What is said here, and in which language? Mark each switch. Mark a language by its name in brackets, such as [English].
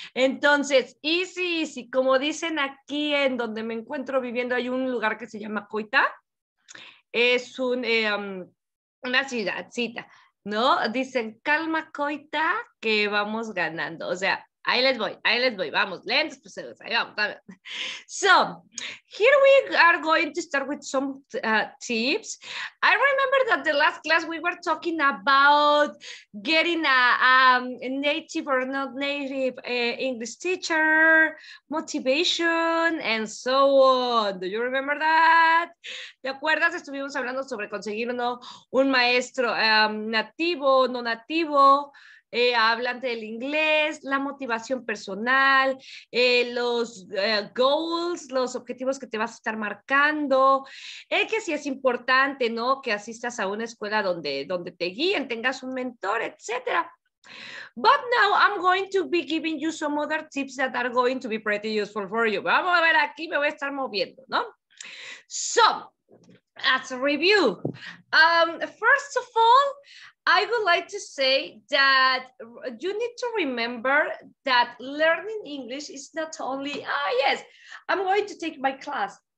[Spanish] Entonces, easy, como dicen aquí en donde me encuentro viviendo, hay un lugar que se llama Coita, es una ciudadcita, ¿no? Dicen, calma Coita, que vamos ganando, o sea, ahí les voy, vamos, lentos, pues, ahí vamos. [English] So, here we are going to start with some tips. I remember that the last class we were talking about getting a native or not native English teacher, motivation, and so on. Do you remember that? [Spanish] ¿Te acuerdas? Estuvimos hablando sobre conseguir un maestro nativo, no nativo, hablante del inglés, la motivación personal, los goals, los objetivos que te vas a estar marcando, que sí es importante, ¿no? Que asistas a una escuela donde te guíen, tengas un mentor, etc. [English] But now I'm going to be giving you some other tips that are going to be pretty useful for you. [Spanish] Vamos a ver, aquí me voy a estar moviendo, ¿no? [English] So, as a review, first of all, I would like to say that you need to remember that learning English is not only, yes, I'm going to take my class.